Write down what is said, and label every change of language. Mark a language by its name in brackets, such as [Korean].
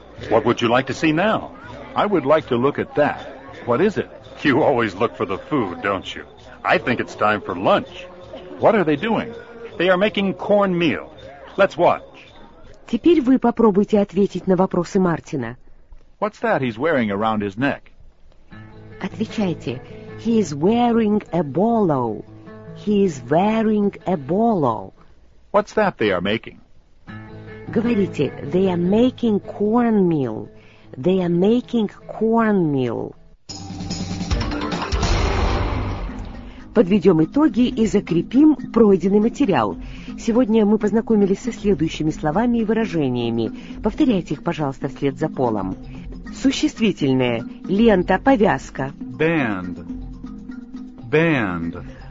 [English] What would you like to see now? I would like to look at that. What is it? You always look for the food, don't you? I think it's time for lunch. What are they doing? They are making cornmeal. Let's watch. [Russian] Теперь вы попробуйте ответить на вопросы Мартина. [English] What's that he's wearing around his neck? [Russian] Отвечайте. [English] He is wearing a bolo. He is wearing a bolo. What's that they are making? [Russian] Говорите. [English] They are making cornmeal. They are making cornmeal. [Russian] Подведем итоги и закрепим пройденный материал. Сегодня мы познакомились со следующими словами и выражениями. Повторяйте их, пожалуйста, вслед за Полом. Существительное. Лента, повязка. [English] Band. Band.